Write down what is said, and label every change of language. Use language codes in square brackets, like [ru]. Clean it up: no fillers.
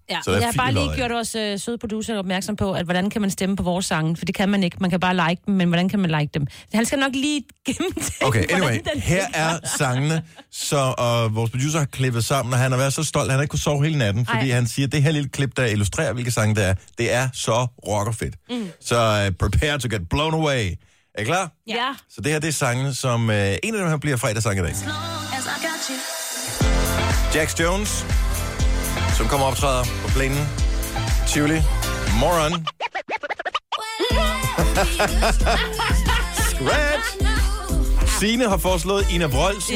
[da] Ja, så jeg har bare lige gjort os søde producer opmærksom på, at hvordan kan man stemme på vores sange? For det kan man ikke. Man kan bare like dem, men hvordan kan man like dem? Han skal nok lige gennemtænke, okay, anyway, her er sangene, så vores producer har klippet sammen, og han har været så stolt, han har ikke kunne sove hele natten, fordi han siger, at det her lille klip, der illustrerer, hvilke sange det er, det er så rockerfedt. Mm. [en] Så prepare to get blown away. [da] Er I klar? Ja. Så det her, det er sangene, som en af dem her bliver fredagssang i dag. Jax Jones, som kommer og optræder på plænen. Tivoli. Moron. Scratch. Signe har foreslået Ina Brølsen.